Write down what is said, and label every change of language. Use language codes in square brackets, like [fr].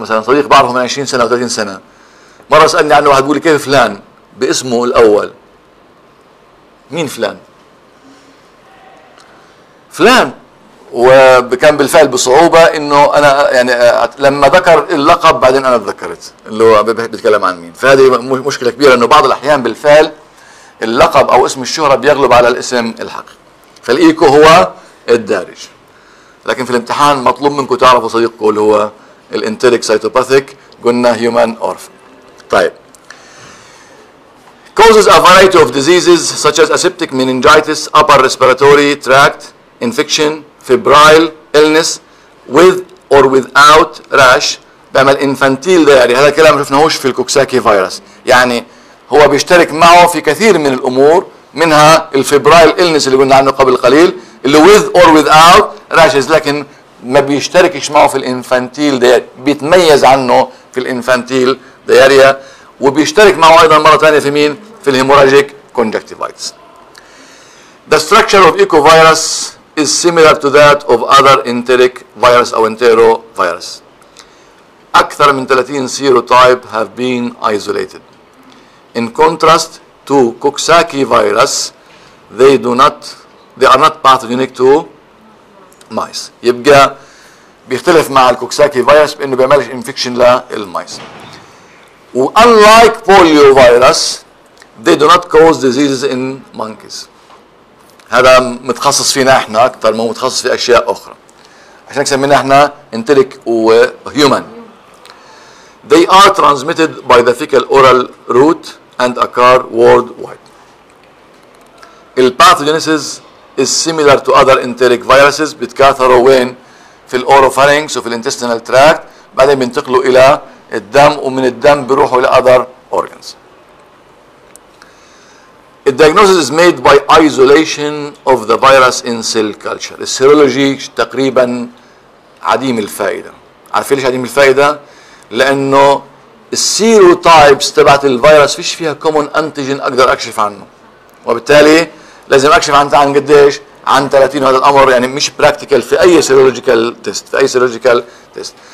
[ar] مثلا صديق بعرفه من 20 سنه او 30 سنه مره سالني عنه واحد بيقول لي كيف فلان باسمه الاول مين فلان فلان وكان بالفعل بصعوبه انه انا يعني لما ذكر اللقب بعدين انا تذكرت اللي هو بيتكلم عن مين. فهذه مشكله كبيره انه بعض الاحيان بالفعل اللقب او اسم الشهره بيغلب على الاسم الحقيقي. فالايكو هو الدارج، لكن في الامتحان مطلوب منكم تعرفوا صديقكم اللي هو الانتريك سايتوباثيك قلنا هيومن اورف. [en] طيب causes a variety of diseases such as aseptic meningitis, upper respiratory tract infection, febrile illness with or without rash. بعمل infantile diarrhea. [ar] هذا الكلام شفناهوش في الكوكساكي فيروس، يعني هو بيشترك معه في كثير من الامور منها الفيبرايل إلنس اللي قلنا عنه قبل قليل اللي with or without rashes، لكن ما بيشتركش معه في الانفانتيل دياريا، بيتميز عنه في الانفانتيل دياريا، وبيشترك معه ايضا مرة تانية في مين؟ في الهيموراجيك كونجكتيفايتس. [en] The structure of ecovirus is similar to that of other enteric virus or enterovirus. أكثر من 30 serotype have been isolated. In contrast to Coxsackie virus, they are not pathogenic to mice. [ar] يبقى بيختلف مع الكوكساكي فيروس بانه بيعملش انفكشن للمايس. [en] Unlike polio virus, they do not cause diseases in monkeys. [ar] هذا متخصص فينا احنا اكثر ما هو متخصص في اشياء اخرى. عشان سمينا احنا انتريك وهيومن. [en] They are transmitted by the fecal oral route and occur worldwide. The pathogenesis is similar to other enteric viruses. [ar] بتكاثروا وين؟ في الاوروفارينج وفي الانتستينال تراكت، بعدين بينتقلوا الى الدم ومن الدم بيروحوا الى other organs. [en] The diagnosis is made by isolation of the virus in cell culture. [ar] السيرولوجي تقريبا عديم الفائده. عارفين ليش عديم الفائده؟ لانه السيرو تايبس تبعت الفيروس فيش فيها كومون انتيجين اقدر اكشف عنه، وبالتالي لازم اكشف عن قديش؟ عن 30. وهذا الامر يعني مش براكتيكال في اي سيرولوجيكال تيست، في اي سيرولوجيكال تيست.